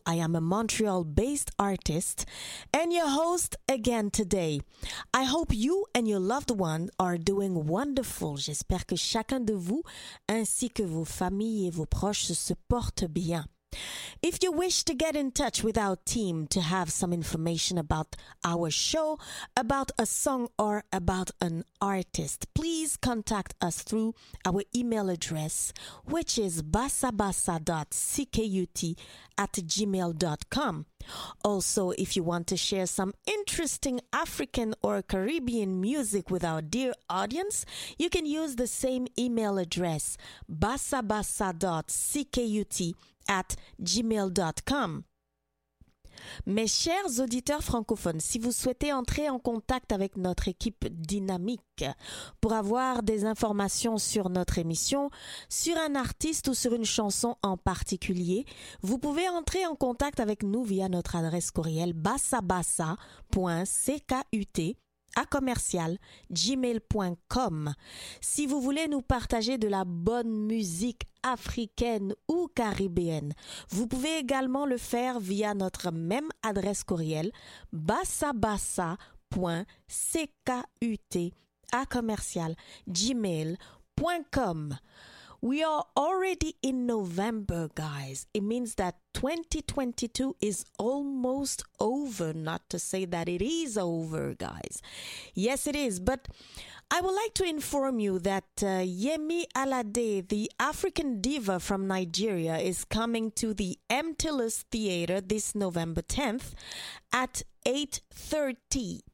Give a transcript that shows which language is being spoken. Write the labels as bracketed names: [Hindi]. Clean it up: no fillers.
[English] I am a Montreal-based artist and your host again today. I hope you and your loved one are doing wonderful. [French] J'espère que chacun de vous, ainsi que vos familles et vos proches, se portent bien. [English] If you wish to get in touch with our team to have some information about our show, about a song, or about an artist, please contact us through our email address, which is basabasa.ckut@gmail.com. Also, if you want to share some interesting African or Caribbean music with our dear audience, you can use the same email address, basabasa.ckut@gmail.com. [French] Mes chers auditeurs francophones, si vous souhaitez entrer en contact avec notre équipe dynamique pour avoir des informations sur notre émission, sur un artiste ou sur une chanson en particulier, vous pouvez entrer en contact avec nous via notre adresse courriel basabasa.ckut@gmail.com. Si vous voulez nous partager de la bonne musique africaine ou caribéenne, vous pouvez également le faire via notre même adresse courriel basabasa.ckut@gmail.com. [English] We are already in November, guys. It means that 2022 is almost over, not to say that it is over, guys. Yes, it is. But I would like to inform you that Yemi Alade, the African diva from Nigeria, is coming to the MTLS Theater this November 10th at 8:30.